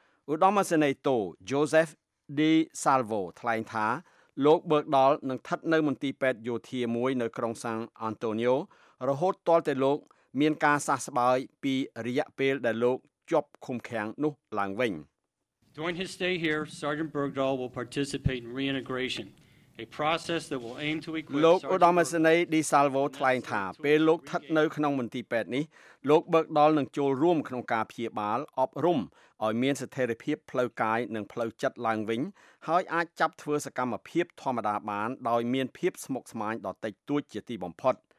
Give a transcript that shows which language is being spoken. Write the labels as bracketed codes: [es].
[km] ឧត្តមសេនីយ៍តូយ៉ូសេហ្វឌីសាល់វ៉ូថ្លែងថាលោកបឺកដលនឹងស្ថិតនៅមន្ទីរពេទ្យយោធាមួយនៅក្រុងសាំងអានតូនីយ៉ូរហូតទាល់តែលោកមានការសះស្បើយពីរយៈពេលដែលលោកជាប់ឃុំឃាំងនោះឡើងវិញ [en] During his stay here Sergeant Bergdahl will participate in reintegration a process that will aim to equip [km] លោកឧត្តមសេនីយ៍ឌីសាល់វ៉ូថ្លែងថាពេលលោកស្ថិតនៅក្នុងមន្ទីរពេទ្យនេះលោកបឺកដលនឹងចូលរួមក្នុងការព្យាបាលអប់រំឲ្យមានស្ថិរភាពផ្លូវកាយនិងផ្លូវចិត្តឡើងវិញហើយអាចចាប់ធ្វើសកម្មភាពធម្មតាបានដោយមានភាពស្មុគស្មាញដល់តិចតួចជាទីបំផុត